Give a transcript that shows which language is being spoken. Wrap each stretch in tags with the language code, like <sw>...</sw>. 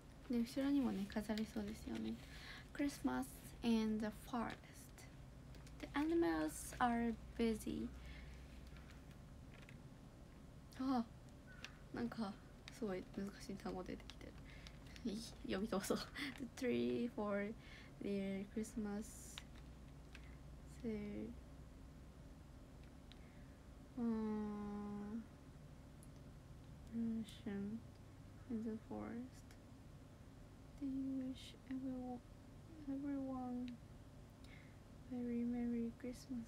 <ja>で後ろにもね飾りそうですよね。</ja> <en>Christmas in the forest. The animals are busy.</en> <ja>あ、なんかすごい難しい単語出てきて読み通そう。</ja> <en>The tree for their Christmas. So, in the forest. They wish everyone very merry Christmas.</en>